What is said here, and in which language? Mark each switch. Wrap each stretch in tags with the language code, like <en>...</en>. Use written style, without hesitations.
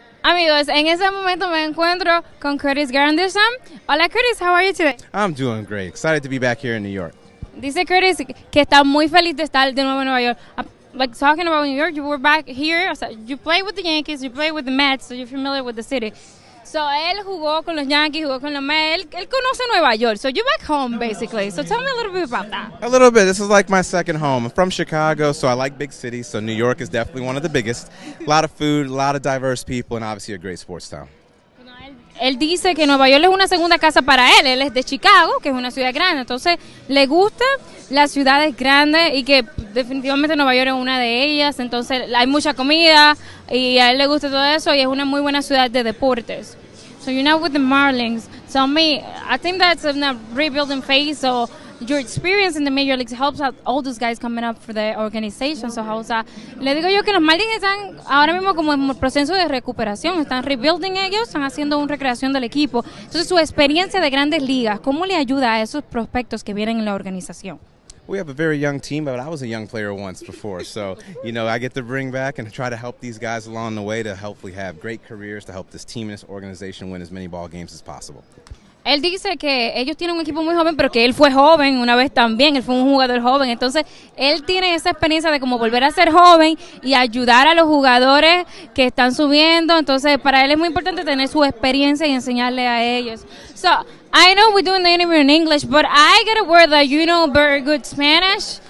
<es>Amigos, en ese momento me encuentro con Curtis Granderson.</es> <en>Hola, Curtis, how are you today? I'm doing great. Excited to be back here in New York.</en> <es>Dice Curtis que está muy feliz de estar de nuevo en Nueva York.</es> <en>Like, talking about New York, you were back here.</en> <es>O sea,</es> <en>you play with the Yankees, you play with the Mets, so you're familiar with the city.</en> <es>So, él jugó con los Yankees, jugó con los Mets. Él conoce Nueva York.</es> <en>So, you're back home, basically. So, tell me a little bit about that. A little bit. This is like my second home. I'm from Chicago, so I like big cities. So, New York is definitely one of the biggest. A lot of food, a lot of diverse people, and obviously a great sports town.</en> <es>Él dice que Nueva York es una segunda casa para él. Él es de Chicago, que es una ciudad grande. Entonces, le gusta las ciudades grandes y que definitivamente Nueva York es una de ellas. Entonces, hay mucha comida y a él le gusta todo eso y es una muy buena ciudad de deportes.</es> <en>So, you're now with the Marlins. Tell me, I think that's in a rebuilding phase. So, your experience in the major leagues helps out all those guys coming up for the organization. So, how's that?</en> <es>Le digo yo que los Marlins están ahora mismo como en proceso de recuperación. Están rebuilding ellos, están haciendo una recreación del equipo. Entonces, su experiencia de grandes ligas, ¿cómo le ayuda a esos prospectos que vienen en la organización?</es> <en>We have a very young team, but I was a young player once before. So, you know, I get to bring back and try to help these guys along the way to hopefully have great careers, to help this team and this organization win as many ball games as possible.</en> <es>Él dice que ellos tienen un equipo muy joven, pero que él fue joven una vez también. Él fue un jugador joven. Entonces, él tiene esa experiencia de como volver a ser joven y ayudar a los jugadores que están subiendo. Entonces, para él es muy importante tener su experiencia y enseñarle a ellos.</es> <en>So, I know we're doing the interview in English, but I get a word that you know very good Spanish.</en>